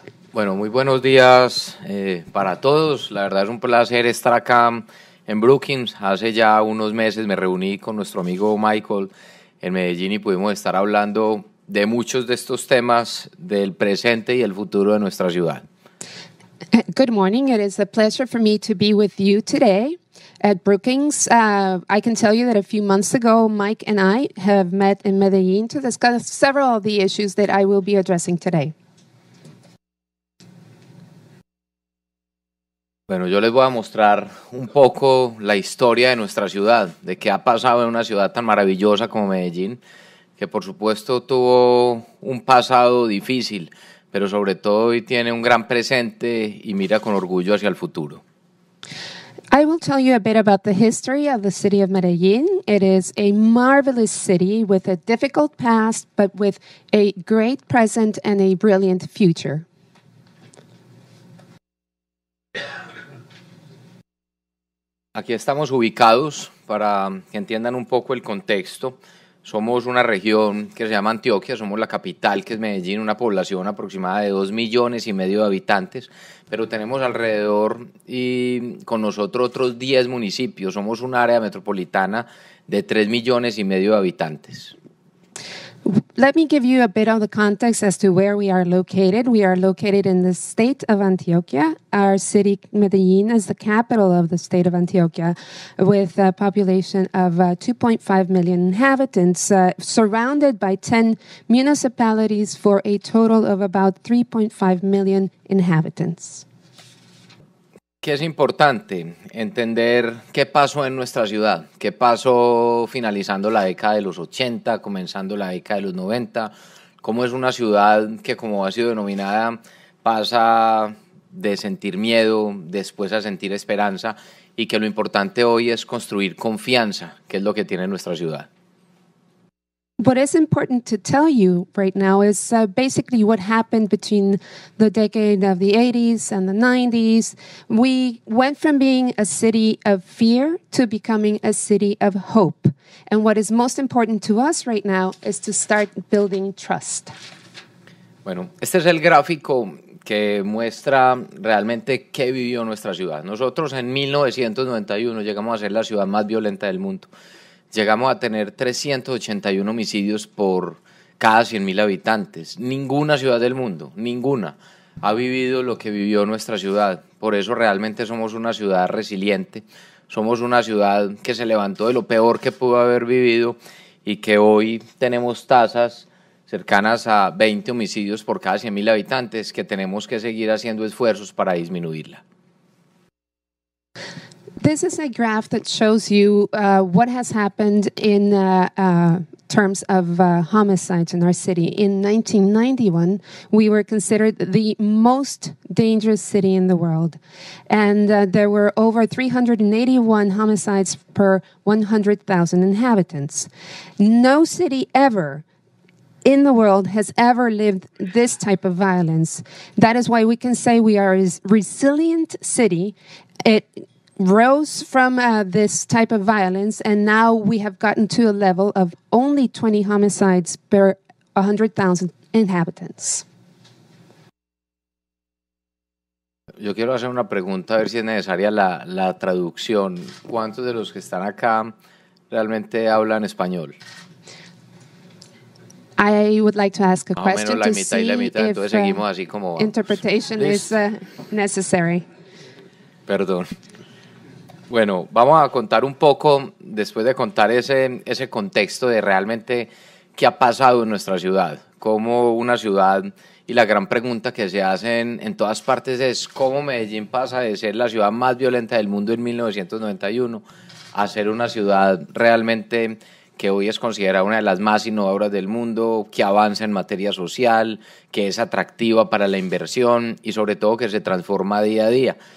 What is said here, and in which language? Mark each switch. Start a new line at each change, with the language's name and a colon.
Spanish: Bueno, muy buenos días para todos. La verdad es un placer estar acá en Brookings. Hace ya unos meses me reuní con nuestro amigo Michael en Medellín y pudimos estar hablando de muchos de estos temas del presente y el futuro de nuestra ciudad.
English: Good morning. It is a pleasure for me to be with you today at Brookings. I can tell you that a few months ago, Mike and I have met in Medellín to discuss several of the issues that I will be addressing today.
Spanish: Bueno, yo les voy a mostrar un poco la historia de nuestra ciudad, de qué ha pasado en una ciudad tan maravillosa como Medellín, que por supuesto tuvo un pasado difícil, pero sobre todo hoy tiene un gran presente y mira con orgullo hacia el futuro.
English: I will tell you a bit about the history of the city of Medellín. It is a marvelous city with a difficult past, but with a great present and a brilliant future.
Spanish: Aquí estamos ubicados, para que entiendan un poco el contexto. Somos una región que se llama Antioquia, somos la capital, que es Medellín, una población aproximada de 2,5 millones de habitantes, pero tenemos alrededor y con nosotros otros 10 municipios. Somos un área metropolitana de 3,5 millones de habitantes.
English: Let me give you a bit of the context as to where we are located. We are located in the state of Antioquia. Our city, Medellín, is the capital of the state of Antioquia, with a population of 2.5 million inhabitants, surrounded by 10 municipalities for a total of about 3.5 million inhabitants.
Spanish: ¿Qué es importante? Entender qué pasó en nuestra ciudad, qué pasó finalizando la década de los 80, comenzando la década de los 90, cómo es una ciudad que, como ha sido denominada, pasa de sentir miedo después a sentir esperanza, y que lo importante hoy es construir confianza, que es lo que tiene nuestra ciudad.
English: What is important to tell you right now is basically what happened between the decade of the 80s and the 90s. We went from being a city of fear to becoming a city of hope. And what is most important to us right now is to start building trust.
Spanish: Bueno, este es el gráfico que muestra realmente qué vivió nuestra ciudad. Nosotros en 1991 llegamos a ser la ciudad más violenta del mundo. Llegamos a tener 381 homicidios por cada 100,000 habitantes. Ninguna ciudad del mundo, ninguna, ha vivido lo que vivió nuestra ciudad. Por eso realmente somos una ciudad resiliente, somos una ciudad que se levantó de lo peor que pudo haber vivido y que hoy tenemos tasas cercanas a 20 homicidios por cada 100,000 habitantes, que tenemos que seguir haciendo esfuerzos para disminuirla.
English: This is a graph that shows you what has happened in terms of homicides in our city. In 1991, we were considered the most dangerous city in the world. And there were over 381 homicides per 100,000 inhabitants. No city ever in the world has ever lived this type of violence. That is why we can say we are a resilient city. It rose from this type of violence, and now we have gotten to a level of only 20 homicides per 100,000 inhabitants.
Spanish: Yo quiero hacer una pregunta, a ver si es necesaria la traducción. ¿Cuántos de los que están acá realmente hablan español?
English: I would like to ask a question to see if interpretation is necessary.
Spanish: Perdón. Bueno, vamos a contar un poco, después de contar ese contexto de realmente qué ha pasado en nuestra ciudad, cómo una ciudad, y la gran pregunta que se hace en todas partes es cómo Medellín pasa de ser la ciudad más violenta del mundo en 1991 a ser una ciudad realmente que hoy es considerada una de las más innovadoras del mundo, que avanza en materia social, que es atractiva para la inversión y sobre todo que se transforma día a día.